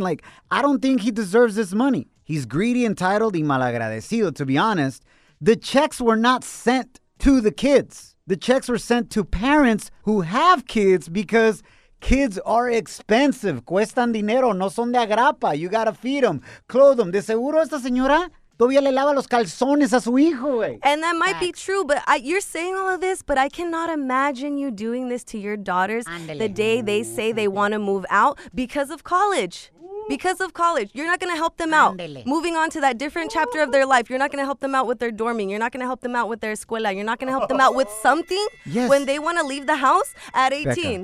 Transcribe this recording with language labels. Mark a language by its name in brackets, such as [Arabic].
[English] Like, I don't think he deserves this money. He's greedy, entitled, [Spanish] y malagradecido, [English] to be honest. The checks were not sent to the kids. The checks were sent to parents who have kids because kids are expensive. [Spanish] Cuestan dinero. No son de agrapa. [English] You gotta feed them. Clothe them. [Spanish] De seguro esta señora todavía le lava los calzones a su hijo, güey. [English] And that might be true, but you're saying all of this, but I cannot imagine you doing this to your daughters [Spanish] Andale. [English] The day they say they want to move out because of college. because of college. You're not going to help them out. Moving on to that different chapter of their life. You're not going to help them out with their dorming. You're not going to help them out with their escuela. You're not going to help them out with something when they want to leave the house at 18.